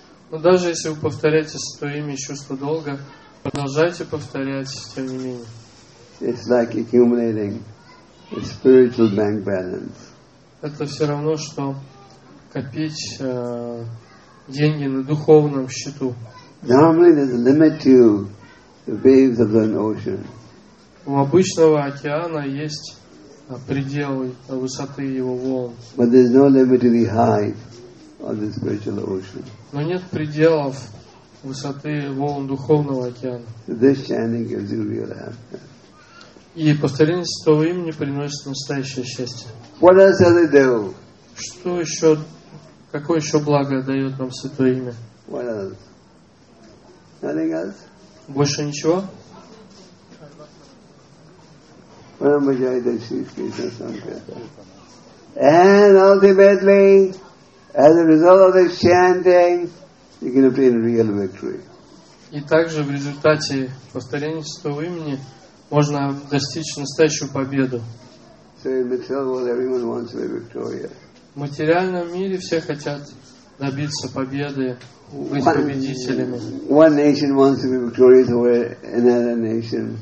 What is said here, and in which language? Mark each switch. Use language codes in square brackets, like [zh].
[ru] Но даже если вы повторяете свое имя из чувства долга, продолжайте повторять, тем не менее. [en] It's like accumulating a spiritual bank balance. [ru] Это все равно, что копить деньги на духовном счету. [en] Normally there's a limit to the waves of an ocean. [ru] У обычного океана есть предел высоты его волн. [en] But there's no limit to the height of the spiritual ocean. [ru] Но нет пределов высоты волн духовного океана. [en] This chanting gives you real happiness. [ru] И повторение святого имени приносит настоящее счастье. [en] What else does it do? [ru] Что еще, какое еще благо дает нам святое имя? [en] What else? Nothing else? [ru] Больше ничего? [en] And ultimately, as a result of this chanting, you can obtain real victory. [ru] И также в результате повторения святого имени можно достичь настоящую победу. В материальном мире все хотят добиться победы, быть победителями.